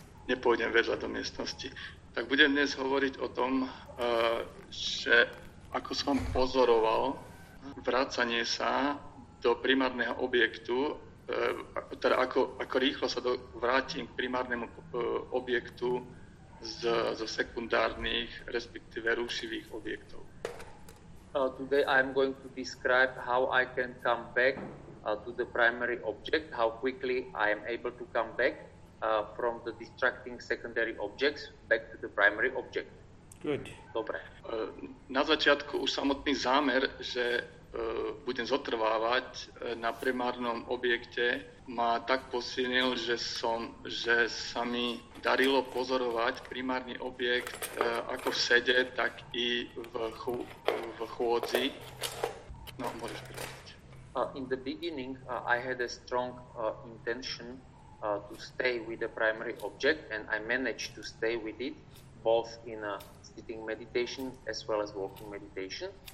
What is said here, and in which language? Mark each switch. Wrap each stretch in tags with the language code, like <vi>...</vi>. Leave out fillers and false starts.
<sk>Nepôjdem vedľa do miestnosti. Tak budem dnes hovoriť o tom, že ako som pozoroval vracanie sa do primárneho objektu, teda ako rýchlo sa vrátim k primárnemu objektu zo sekundárnych, respektíve rušivých objektov.</sk> <en>Today I'm going to describe how I can come back to the primary object, how quickly I am able to come back from the distracting secondary objects back to the primary object. Good.</en> <sk>Dobre. Na začiatku už samotný zámer, že budem zotrvávať na primárnom objekte, ma tak posilnil, že sa mi darilo pozorovať primárny objekt ako v sede, tak i v chôdzi. No, môžeš prevedať.</sk> <en>In the beginning, I had a strong intention to stay with the primary object and I managed to stay with it both in a sitting meditation as well as walking meditation.</en>